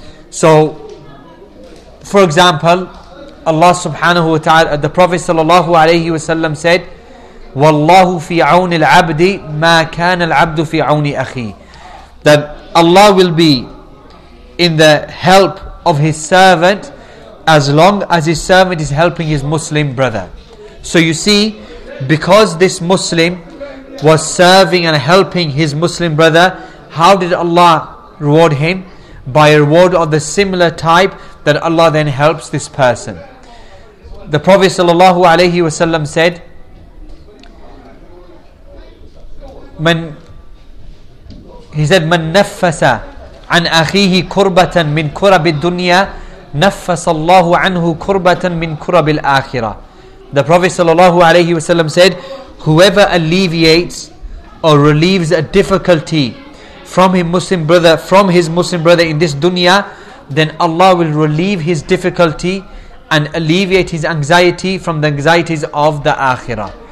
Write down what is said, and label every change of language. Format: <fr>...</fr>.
<en>So, for example, Allah subhanahu wa ta'ala, the Prophet sallallahu alayhi wa sallam said,</en> <ar>وَاللَّهُ فِي عَوْنِ الْعَبْدِ مَا كَانَ الْعَبْدُ فِي عَوْنِ أَخِيهِ,</ar> <en>that Allah will be in the help of his servant as long as his servant is helping his Muslim brother. So you see, because this Muslim was serving and helping his Muslim brother, how did Allah reward him? By a reward of the similar type that Allah then helps this person. The Prophet sallallahu alayhi wasallam said,</en> <ar>من نفس عن أخيه كربة من كرب الدنيا نفس الله عنه كربة من كرب الآخرة.</ar> <en>The Prophet sallallahu alayhi wasallam said, whoever alleviates or relieves a difficulty from his Muslim brother in this dunya, then Allah will relieve his difficulty and alleviate his anxiety from the anxieties of the akhirah.</en>